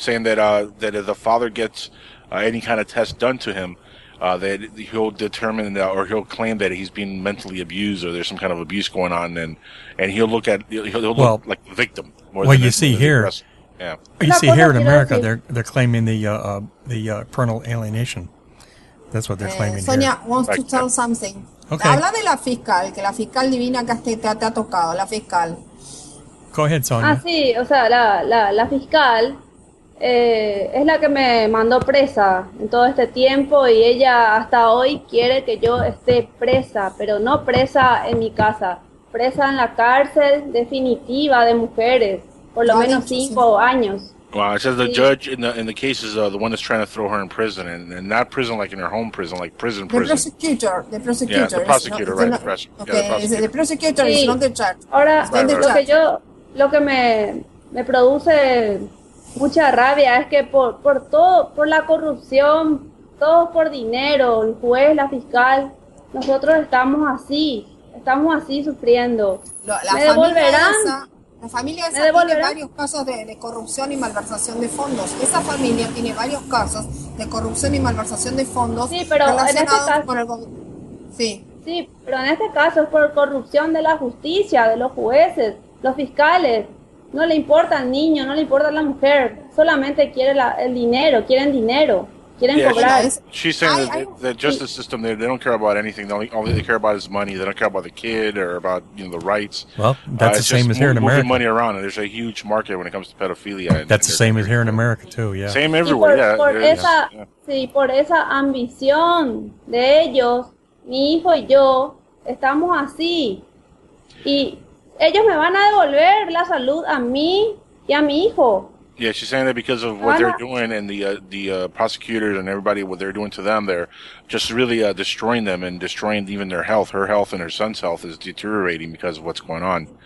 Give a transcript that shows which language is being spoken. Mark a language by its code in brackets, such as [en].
[en] Saying that that if the father gets any kind of test done to him, that he'll determine that, or he'll claim that he's being mentally abused or there's some kind of abuse going on, and he'll look like the victim. Well, you see here, in America, they're claiming the parental alienation. That's what they're claiming. Sonia wants to tell something. Okay. [es] Habla de la fiscal, que la fiscal divina que te ha tocado, la fiscal. [en] Go ahead, Sonia. [es] Ah, sí, o sea, la fiscal es la que me mandó presa en todo este tiempo y ella hasta hoy quiere que yo esté presa, pero no presa en mi casa. Presa en la cárcel definitiva de mujeres por lo menos 5 años. [en] Wow, it says the judge in the case is the one that's trying to throw her in prison, and not prison like in her home prison, like prison. The prosecutor. Yeah, the prosecutor, not, right? Not, the press, okay, yeah, the prosecutor is not the judge. [es] Ahora lo que yo lo que me produce mucha rabia es que por todo por la corrupción, todo por dinero, el juez, la fiscal, nosotros estamos así. Estamos así sufriendo. La familia esa tiene varios casos de corrupción y malversación de fondos. Esa familia tiene varios casos de corrupción y malversación de fondos. Sí, pero relacionados en este caso, con el sí. Sí, pero en este caso es por corrupción de la justicia, de los jueces, los fiscales. No le importa al niño, no le importa a la mujer. Solamente quiere el dinero, quieren dinero. [en] Yeah, she's saying that the justice system, they don't care about anything. The only thing they care about is money. They don't care about the kid or about, you know, the rights. Well, that's the same as here in America. Moving money around, and there's a huge market when it comes to pedophilia. That's the same as here in America, too, yeah. Same everywhere, yeah. [es] Por esa ambición de ellos, mi hijo y yo, estamos así. Y ellos me van a devolver la salud a mí y a mi hijo. [en] Yeah, she's saying that because of what they're doing and the prosecutors and everybody, what they're doing to them, they're just really destroying them and destroying even their health. Her health and her son's health is deteriorating because of what's going on.